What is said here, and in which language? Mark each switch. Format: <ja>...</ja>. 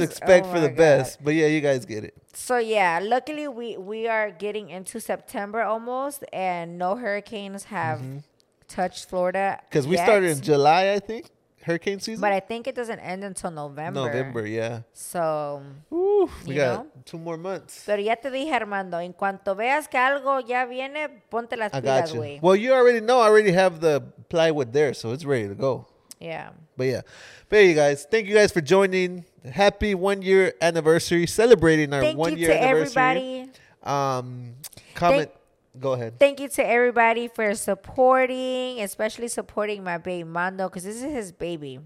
<en>Expect for the best. But yeah, you guys get it. So yeah, luckily we are getting into September almost and no hurricanes have touched Florida. Because we started in July, I think, hurricane season. But I think it doesn't end until November. November, yeah. So, we got 2 more months.</en> <es>Pero ya te dije, Armando, en cuanto veas que algo ya viene, ponte las pilas,</es> <en>güey. Well, you already know. I already have the plywood there, so it's ready to go. Yeah. But yeah. But hey, you guys, thank you guys for joining. Happy 1 year anniversary, celebrating our 1 year anniversary. Thank you to everybody. Comment. Go ahead. Thank you to everybody for supporting, especially supporting my babe Mando, because this is his baby.</en>